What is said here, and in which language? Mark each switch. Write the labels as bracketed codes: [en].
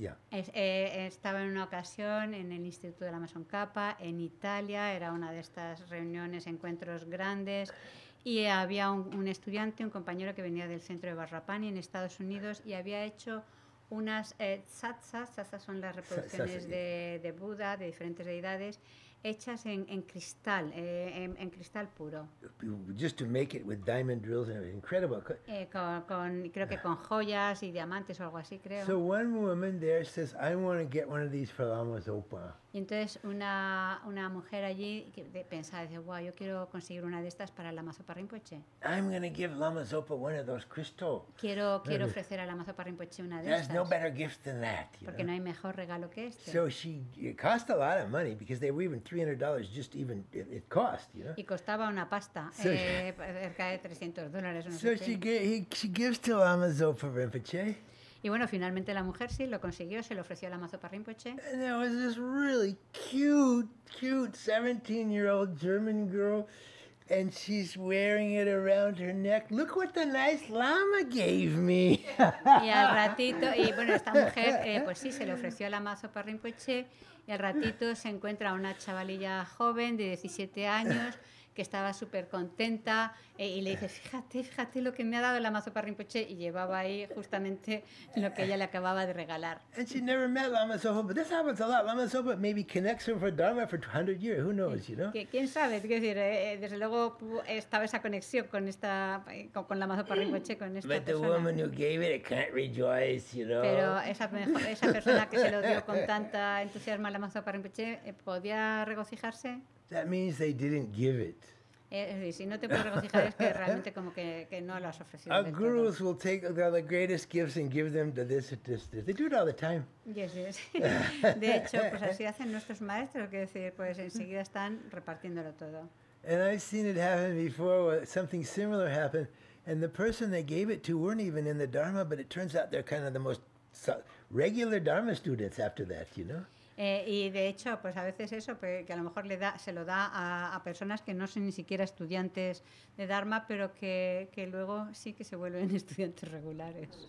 [es] Estaba en una ocasión en el Instituto de la Amazon Kappa en Italia, era una de estas reuniones, encuentros grandes y había un estudiante, un compañero que venía del centro de Vajrapani en Estados Unidos y había hecho unas tzatzas son las reproducciones de Buda, de diferentes deidades, hechas en cristal cristal puro. [en] Just to make it with diamond drills and incredible. [es] Creo que con joyas y diamantes o algo así, creo. [en] So one woman there says, I want to get one of these for Lama Zopa. [es] Y entonces una mujer allí pensaba, dice, wow, yo quiero conseguir una de estas para Lama Zopa Rinpoche. [en] I'm going to give Lama Zopa one of those crystals. [es] Quiero ofrecer a Lama Zopa Rinpoche una de [en] There's [es] estas. [en] No better gift than that. [es] Porque [en] know? [es] No hay mejor regalo que este. [en] So she, it cost a lot of money because they were even $300 just even it cost, you know. [es] Y costaba una pasta, so cerca de $300. [en] So she gives to Lama Zopa Rinpoche. [es] Y bueno, finalmente la mujer sí lo consiguió, se lo ofreció a Lama Zopa Rinpoche. [en] And there was this really cute 17-year-old German girl, and she's wearing it around her neck. Look what the nice Lama gave me. [es] Y al ratito, y bueno, esta mujer, pues sí, se lo ofreció a Lama Zopa Rinpoche, y al ratito se encuentra una chavalilla joven de 17 años, que estaba súper contenta y le dice, fíjate lo que me ha dado Lama Zopa Rinpoche y llevaba ahí justamente lo que ella le acababa de regalar. [en] And she never met Lama Zopa, but this happens a lot. Lama Zopa maybe connects her for Dharma for 200 years, who knows, you know? [es] ¿Quién sabe? Quiero decir, desde luego estaba esa conexión con esta, con Lama Zopa Rinpoche, con esta [en] persona. But the woman who gave it, it can't rejoice, you know? [es] Pero esa persona que se lo dio con tanta entusiasmo a Lama Zopa Rinpoche, ¿podía regocijarse? [en] That means they didn't give it. [es] Si no te puedes regocijar es que realmente como que no lo has ofrecido. [en] Our gurus will take the greatest gifts and give them to this. They do it all the time. Yes. [es] De hecho, pues así hacen nuestros maestros, que decir, pues enseguida están repartiéndolo todo. [en] And I've seen it happen before. Something similar happened, and the person they gave it to weren't even in the Dharma, but it turns out they're kind of the most regular Dharma students after that, you know. [es] Y de hecho, pues a veces eso, que a lo mejor le da, se lo da a personas que no son ni siquiera estudiantes de Dharma, pero que luego sí que se vuelven estudiantes regulares.